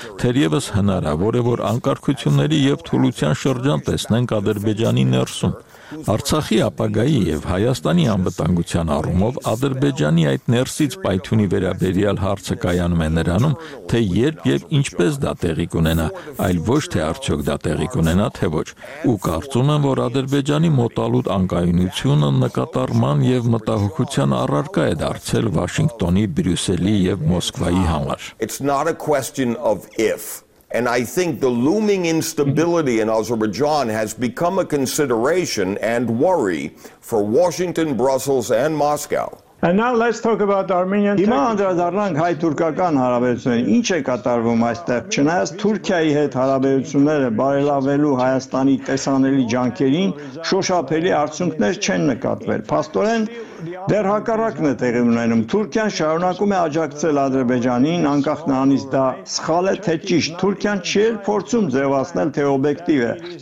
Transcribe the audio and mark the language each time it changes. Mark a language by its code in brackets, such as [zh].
[hy] թերևս հնարավոր է, որ անկարգությունների և թուլության շրջան տեսնենք Ադրբեջանի ներսում։ Արցախի ապագայի և Հայաստանի անվտանգության առումով Ադրբեջանի այդ ներսից պայթյունի վերաբերյալ հարցը կայանում է նրանում, թե երբ և ինչպես դա տեղի կունենա, այլ ոչ թե արդյոք դա տեղի կունենա, թե ոչ, ու կարծում եմ, որ Ադրբեջանի մոտալուտ անկայունությունը նկատառման և մտահոգության առարկա է դարձել Վաշինգտոնի, Բրյուսելի և Մոսկվայի համար։ [en] And I think the looming instability in Azerbaijan has become a consideration and worry for Washington, Brussels, and Moscow. And now let's talk about Armenian. [hy] Հիմա անդրադառնանք հայ-թուրքական հարաբերությունների, ինչ է կատարվում այստեղ, չնայած Թուրքիայի հետ հարաբերությունները բարելավելու Հայաստանի տեսանելի ջանքերին շոշափելի արդյունքներ չեն նկատվել։ Փաստորեն դեռ հակառակն է տեղի ունենում։ Թուրքիան շարունակում է աջակցել Ադրբեջանին, անկախ նրանից դա սխալ է թե ճիշտ։ Թուրքիան չի էլ փորձում ձևացնել, թե օբյեկտիվ է,